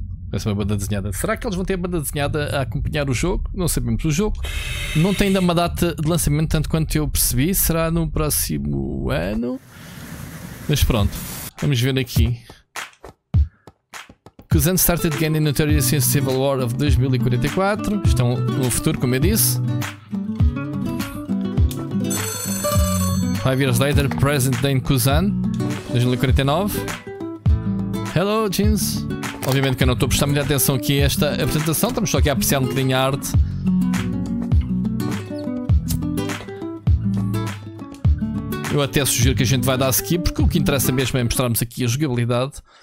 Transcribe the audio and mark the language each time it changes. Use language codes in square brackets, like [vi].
[pt] Parece uma banda desenhada. Será que eles vão ter a banda desenhada a acompanhar o jogo? Não sabemos. O jogo não tem ainda uma data de lançamento, tanto quanto eu percebi. Será no próximo ano? Mas pronto, vamos ver aqui. [en] Kuzan started gaining notoriety since Civil War of 2044. [pt] Estão no futuro, como eu disse. [en] 5 years later, present day in Kuzan, 2049. Hello, Jeans. [pt] Obviamente que eu não estou a prestar muita atenção aqui a esta apresentação, estamos só aqui a apreciar um bocadinho a arte. Eu até sugiro que a gente vai dar skip, porque o que interessa mesmo é mostrarmos aqui a jogabilidade.